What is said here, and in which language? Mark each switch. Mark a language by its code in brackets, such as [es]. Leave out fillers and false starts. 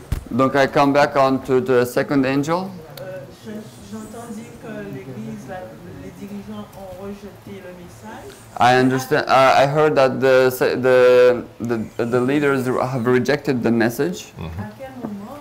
[en] Donc, I come back on to the second angel. [fr] J'entends dire que l'Église, les dirigeants ont rejeté le message. [en] I understand. I heard that the leaders have rejected the message. Mm-hmm.